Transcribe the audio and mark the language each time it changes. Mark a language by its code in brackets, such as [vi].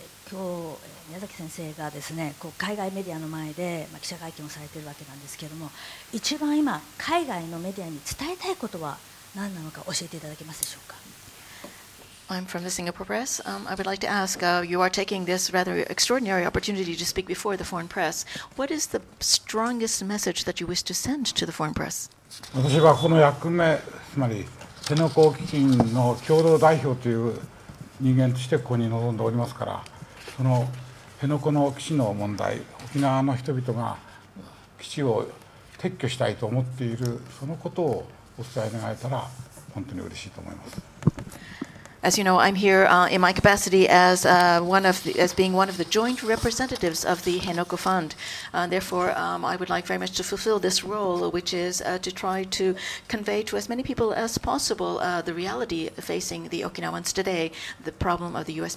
[ja] 今日宮崎先生がですね、こう海外メディアの前で記者会見をされているわけなんですけれども、一番今海外のメディアに伝えたいことは何なのか教えていただけますでしょうか。 [en] I'm from the Singapore Press. I would like to ask, you are taking this rather extraordinary opportunity to speak before the foreign press. What is the strongest message that you wish to send to the foreign press? [ja] 私はこの役目、つまり辺野古基金の共同代表という人間としてここに臨んでおりますから、その辺野古の基地の問題、沖縄の人々が基地を撤去したいと思っているそのことをお伝え願えたら本当に嬉しいと思います。 [en] As you know, I'm here in my capacity as one of the joint representatives of the辺野古 Fund. Therefore, I would like very much to fulfill this role, which is to try to convey to as many people as possible the reality facing the Okinawans today, the problem of the U.S.